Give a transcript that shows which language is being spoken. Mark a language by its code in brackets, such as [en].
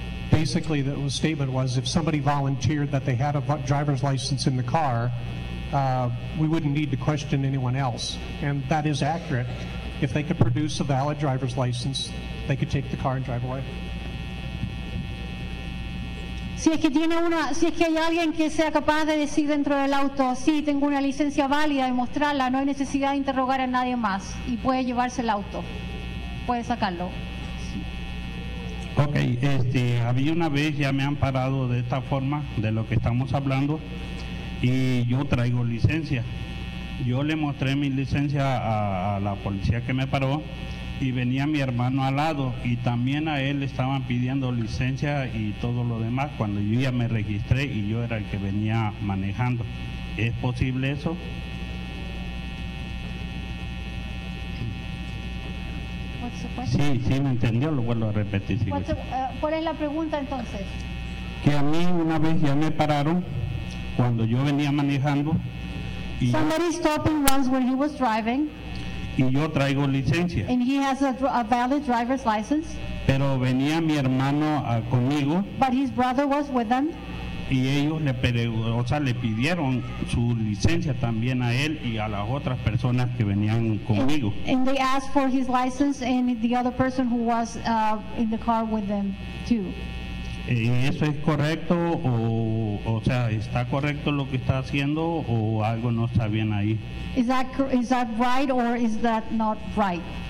[en] Basically, the statement was, if somebody volunteered that they had a driver's license in the car, we wouldn't need to question anyone else. And that is accurate. If they could produce a valid driver's license, they could take the car and drive away. [es] Si es que tiene una, si es que hay alguien que sea capaz de decir dentro del auto, sí, tengo una licencia válida y mostrarla, no hay necesidad de interrogar a nadie más y puede llevarse el auto, puede sacarlo. Okay, había una vez ya me han parado de esta forma de lo que estamos hablando y yo traigo licencia. Yo le mostré mi licencia a la policía que me paró y venía mi hermano al lado y también a él estaban pidiendo licencia y todo lo demás cuando yo ya me registré y yo era el que venía manejando. ¿Es posible eso? Sí, sí me entendió, lo vuelvo a repetir. ¿Cuál es la pregunta entonces? Que a mí una vez ya me pararon cuando yo venía manejando. [en] Somebody stopped him once when he was driving. [es] Y yo traigo licencia. [en] And he has a valid driver's license. [es] Pero venía mi hermano conmigo. [en] But his brother was with them. [es] Y ellos le pidieron su licencia también a él y a las otras personas que venían conmigo. [en] And they asked for his license and the other person who was in the car with them too. [es] ¿Eso es correcto o sea, está correcto lo que está haciendo o algo no está bien ahí? [en] Is that right or is that not right?